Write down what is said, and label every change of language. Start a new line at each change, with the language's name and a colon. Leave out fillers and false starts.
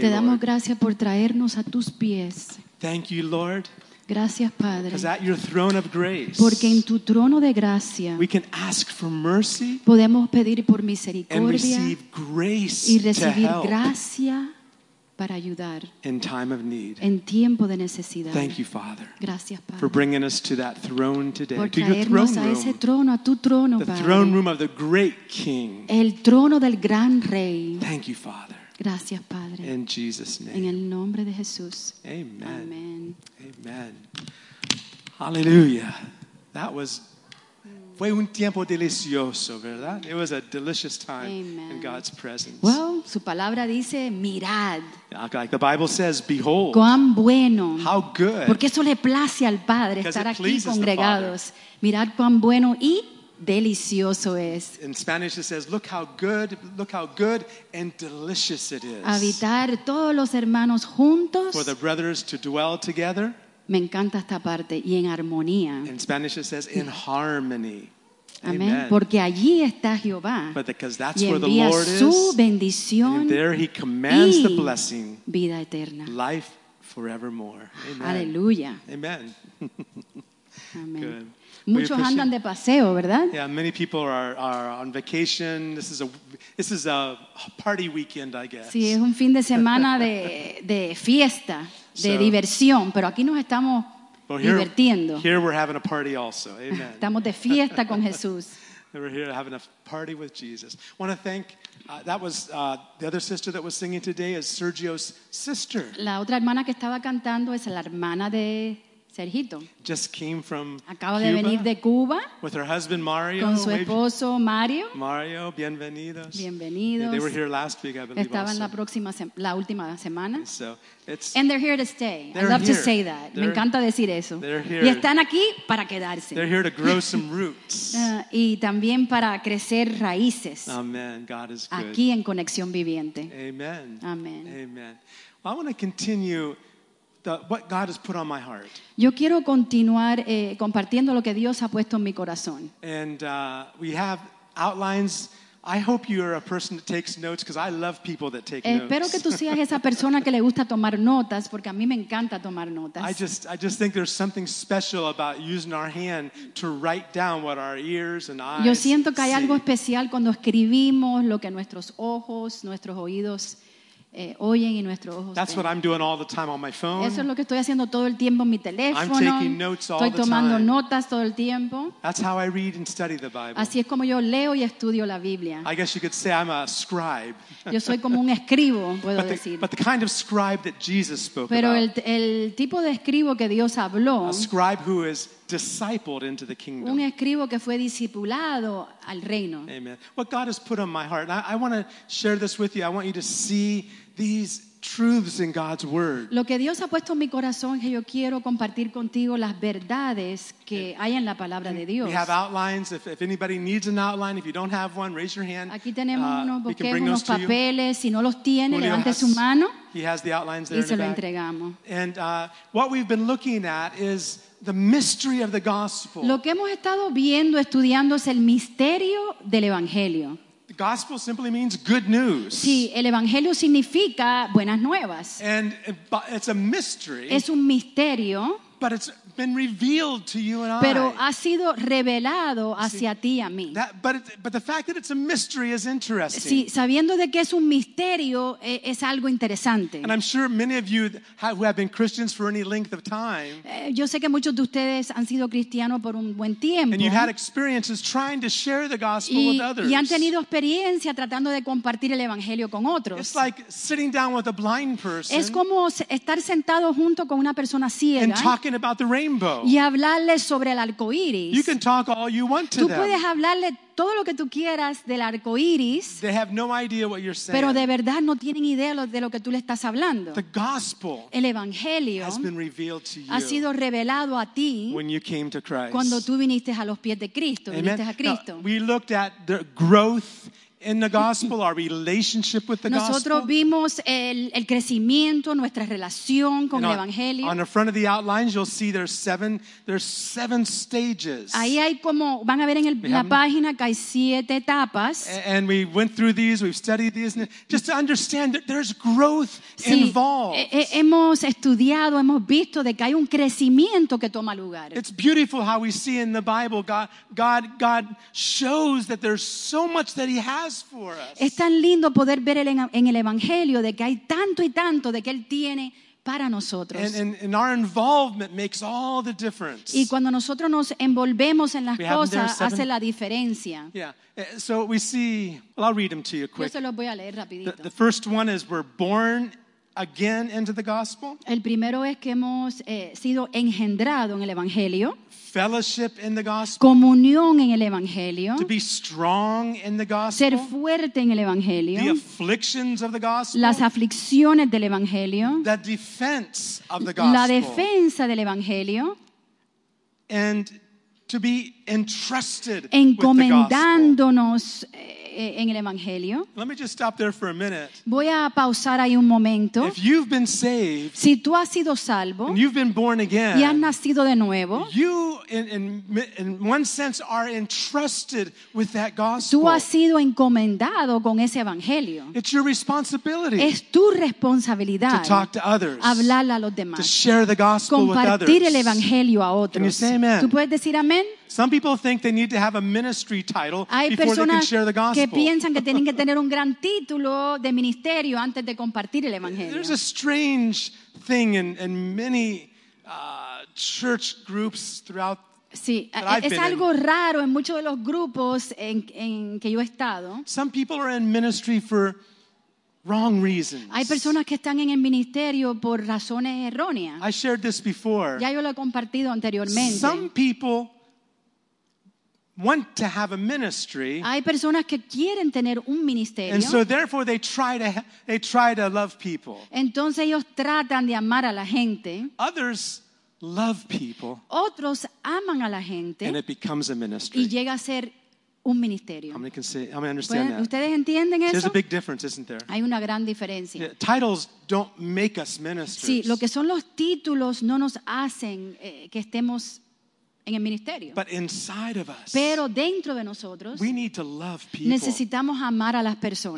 Spanish: Lord. Te damos
English: Lord.
Spanish: Gracias por traernos a tus pies.
English: Thank you, Lord.
Spanish: Gracias, Padre.
English: Because at your throne of grace.
Spanish: Porque en tu trono de gracia.
English: We can ask for mercy.
Spanish: Podemos pedir por misericordia.
English: And receive grace
Spanish: y recibir
English: to help.
Spanish: Gracia para ayudar.
English: In time of need.
Spanish: En tiempo de necesidad.
English: Thank you, Father.
Spanish: Gracias, Padre.
English: For bringing us to that throne today.
Spanish: Por
English: to your throne room.
Spanish: A ese trono, a tu trono,
English: the
Spanish: Padre.
English: Throne room of the great King.
Spanish: El trono del gran Rey.
English: Thank you, Father.
Spanish: Gracias, Padre.
English: In Jesus' name.
Spanish: En el nombre de Jesús.
English: Amen. Amen. Amen. Hallelujah. That was
Spanish: fue un tiempo delicioso, ¿verdad?
English: It was a delicious time. Amen. In God's presence.
Spanish: Well, su palabra dice, mirad.
English: Like the Bible says, behold.
Spanish: Cuán bueno.
English: How good.
Spanish: Porque eso le place al Padre estar aquí congregados. Mirad cuán bueno y delicioso es.
English: In Spanish it says, look how good and delicious it is.
Spanish: Habitar todos los hermanos juntos.
English: For the brothers to dwell together.
Spanish: Me encanta esta parte y en armonía.
English: In Spanish it says in harmony.
Spanish: Amén. Porque allí está Jehová.
English: But because that's
Spanish: y
English: where the Lord
Spanish: su
English: is.
Spanish: Bendición
English: and there he commands the blessing.
Spanish: Vida eterna.
English: Life forevermore. Amen.
Spanish: Aleluya.
English: Amen. Amén. Good.
Spanish: Muchos andan de paseo, ¿verdad?
English: Yeah, many people are on vacation. This is a party weekend, I guess.
Spanish: Sí, es un fin de semana de fiesta, de so, diversión, pero aquí nos estamos divirtiendo.
English: Here we're having a party also. Amen.
Spanish: Estamos de fiesta con Jesús.
English: We're here having a party with Jesus. I want to thank that was the other sister that was singing today is Sergio's sister.
Spanish: La otra hermana que estaba cantando es la hermana de Sergito.
English: Just came from
Spanish: Acaba de venir de Cuba.
English: With her husband Mario.
Spanish: Con su esposo Mario. Mario, bienvenidos. Bienvenidos.
English: Yeah, they were here last week, I believe.
Spanish: Estaban la próxima, la última semana.
English: So it's, and they're here to stay. I love here. To say that. They're,
Spanish: me encanta decir eso.
English: They're here.
Spanish: Y están aquí para quedarse.
English: They're here to grow some roots.
Spanish: Y también para crecer raíces.
English: Amen. God is good.
Spanish: Aquí en Conexión Viviente.
English: Amen. Amen. Amen. Well, I want to continue. What God has put on my heart.
Spanish: Yo quiero continuar compartiendo lo que Dios ha puesto en mi corazón.
English: And we have outlines. I hope you are a person that takes notes because I love people that take notes.
Spanish: Espero que tú seas esa persona que le gusta tomar notas porque a mí me encanta tomar notas.
English: I just think there's something special about using our hand to write down what our ears and eyes.
Spanish: Yo siento que hay
English: see.
Spanish: Algo especial cuando escribimos lo que nuestros ojos, nuestros oídos.
English: That's what I'm doing all the time on my phone.
Spanish: Eso es lo que estoy haciendo todo el tiempo en mi teléfono.
English: I'm taking notes all
Spanish: estoy tomando
English: the time.
Spanish: Notas todo el tiempo.
English: That's how I read and study the Bible.
Spanish: Así es como yo leo y estudio la Biblia.
English: I guess you could say I'm a scribe.
Spanish: Yo soy como un escribo, puedo decir.
English: But the kind of scribe that Jesus spoke
Spanish: pero
English: about.
Spanish: Pero el tipo de escribo que Dios habló.
English: A scribe who is discipled into the kingdom.
Spanish: Un escribo que fue discipulado al reino.
English: Amen. What God has put on my heart, and I want to share this with you. I want you to see these truths in God's word.
Spanish: Lo que Dios ha puesto en mi corazón que yo quiero compartir contigo las verdades que hay en la palabra de Dios.
English: We have outlines. If anybody needs an outline, if you don't have one, raise your hand.
Spanish: Aquí tenemos unos bosquejos, unos papeles. Si no los tiene, levante su mano.
English: He has the outlines there.
Spanish: Y se lo entregamos.
English: And what we've been looking at is the mystery of the gospel.
Spanish: Lo que hemos estado viendo, estudiando es el misterio del evangelio.
English: The gospel simply means good news.
Spanish: Sí, el evangelio significa buenas nuevas.
English: And it's a mystery.
Spanish: Es un misterio.
English: But it's been revealed to you and I.
Spanish: Pero ha sido revelado hacia ti y a mí.
English: But the fact that it's a mystery is interesting.
Spanish: Sí, sabiendo de que es un misterio es algo interesante.
English: And I'm sure many of you who have been Christians for any length of time.
Spanish: Yo sé que muchos de ustedes han sido cristianos por un buen tiempo.
English: And you've had experiences trying to share the gospel with others.
Spanish: Y han tenido experiencia tratando de compartir el evangelio con otros.
English: It's like sitting down with a blind person.
Spanish: Es como estar sentado junto con una persona ciega.
English: And talking about the rainbow.
Spanish: Y hablarle sobre el arco iris.
English: You can talk all you want to
Spanish: tú puedes hablarle todo lo que tú quieras del arco iris.
English: They have no idea what you're saying.
Spanish: Pero de verdad no tienen idea de lo que tú le estás hablando.
English: The gospel
Spanish: el evangelio
English: has been revealed to you
Spanish: ha sido revelado a ti
English: when you came to Christ.
Spanish: Cuando tú viniste a los pies de Cristo.
English: Amen.
Spanish: Viniste a Cristo.
English: Now, we looked at the growth in the gospel, our relationship with the
Spanish: nosotros
English: gospel.
Spanish: Nosotros vimos el crecimiento, nuestra relación con
English: and
Spanish: el evangelio.
English: On the front of the outlines, you'll see there's seven stages.
Spanish: Ahí hay como van a ver en la página que hay siete etapas.
English: And we went through these, we've studied these, just to understand that there's growth
Spanish: sí,
English: involved.
Spanish: Hemos estudiado, hemos visto de que hay un crecimiento que toma lugar.
English: It's beautiful how we see in the Bible, God shows that there's so much that He has.
Spanish: Es tan lindo poder ver en el evangelio de que hay tanto y tanto de que él tiene para nosotros.
English: And our involvement makes all the difference.
Spanish: Y cuando nosotros nos envolvemos en las
English: we
Spanish: cosas hace la diferencia.
English: Yeah. So we see. Well, I'll read them to you quick.
Spanish: Yo se los voy a leer rapidito.
English: The first one is we're born again into the gospel.
Spanish: El primero es que hemos sido engendrado en el evangelio.
English: Fellowship in the gospel.
Spanish: Comunión en el evangelio.
English: To be strong in the gospel.
Spanish: Ser fuerte en el evangelio.
English: The afflictions of the gospel.
Spanish: Las aflicciones del evangelio.
English: The defense of the gospel.
Spanish: La defensa del evangelio.
English: And to be entrusted
Spanish: encomendándonos
English: with the gospel.
Spanish: En el evangelio.
English: Let me just stop there for a minute.
Spanish: Voy a pausar ahí un momento.
English: If you've been saved,
Spanish: si tú has sido salvo,
English: and you've been born again,
Spanish: y has nacido de nuevo,
English: you in one sense are entrusted with that gospel.
Spanish: Tú has sido encomendado con ese evangelio.
English: It's your responsibility.
Spanish: Es tu responsabilidad.
English: To talk to others.
Spanish: Hablarle a los demás.
English: To share the gospel
Spanish: compartir
English: with others.
Spanish: El evangelio a otros.
English: Can you say amen?
Spanish: ¿Tú puedes decir amén?
English: Some people think they need to have a ministry title
Spanish: hay
English: before they can share the gospel.
Spanish: Que piensan que tienen que tener un gran título de ministerio antes de compartir el evangelio.
English: There's a strange thing in many church groups throughout.
Spanish: Sí, es algo raro en muchos de los grupos en que yo he estado.
English: Some people are in ministry for wrong reasons.
Spanish: Hay personas que están en el ministerio por razones erróneas.
English: I shared this before.
Spanish: Ya yo lo he compartido anteriormente.
English: Some people want to have a ministry.
Spanish: Hay personas que quieren tener un ministerio.
English: And so therefore they try to love people.
Spanish: Entonces ellos tratan de amar a la gente.
English: Others love people.
Spanish: Otros aman a la gente.
English: And it becomes a ministry.
Spanish: Y llega a ser un ministerio.
English: How many can say, how many understand that?
Spanish: ¿Ustedes entienden eso?
English: There's a big difference, isn't there?
Spanish: Hay una gran diferencia.
English: Yeah, titles don't make us ministers.
Spanish: Sí, lo que son los títulos no nos hacen que estemos en el ministerio.
English: But inside of us,
Spanish: pero dentro de nosotros,
English: we need to love people.
Spanish: Necesitamos amar a las personas.